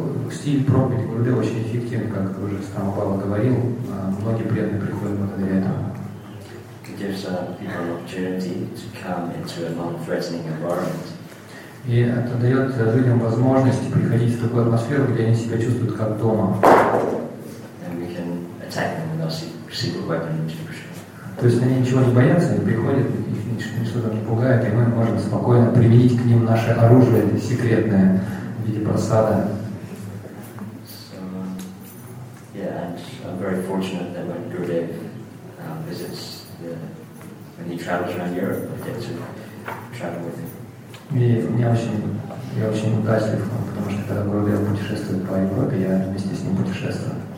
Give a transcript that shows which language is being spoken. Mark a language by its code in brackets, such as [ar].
[ru] Стиль проповеди Гурудева очень эффективен, как уже Стамбала говорил. Многие преданные приходят благодаря этому. [en] gives people an opportunity to come into a non-threatening environment. [ru] И это дает людям возможность приходить в такую атмосферу, где они себя чувствуют как дома. [en] And we can attack them with our super weapon intuition. [ru] То есть они ничего не боятся, они приходят, их что-то не пугает, и мы можем спокойно применить к ним наше оружие секретное в виде просады. [en] So, yeah, and I'm very fortunate that when Gurudev visits, when he travels around Europe, I get to travel with him. [ru] И я очень удачлив, потому что когда Гурудев путешествует по Европе, я вместе с ним путешествую.